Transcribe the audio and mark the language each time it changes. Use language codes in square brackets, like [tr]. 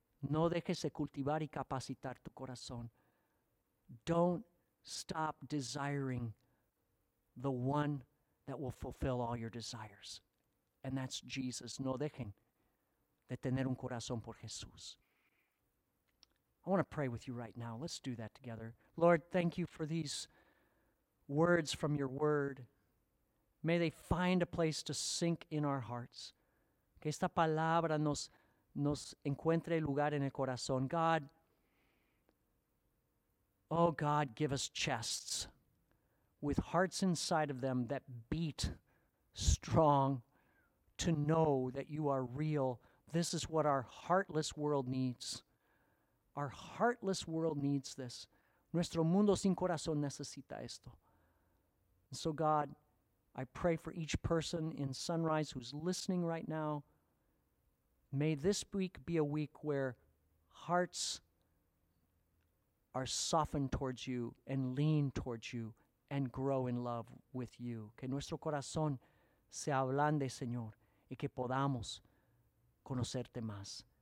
[es] No dejes de cultivar y capacitar tu corazón. [en] Don't stop desiring the one that will fulfill all your desires. And that's Jesus. [es] No dejen de tener un corazón por Jesús. [en] I want to pray with you right now. Let's do that together. Lord, thank you for these words from your word. May they find a place to sink in our hearts. [es] Que esta palabra nos encuentre lugar en el corazón. [en] God, oh God, give us chests with hearts inside of them that beat strong to know that you are real. This is what our heartless world needs. Our heartless world needs this. [es] Nuestro mundo sin corazón necesita esto. [en] So God, I pray for each person in Sunrise who's listening right now. May this week be a week where hearts are softened towards you and lean towards you and grow in love with you. [es] Que nuestro corazón se ablande, Señor, y que podamos conocerte más.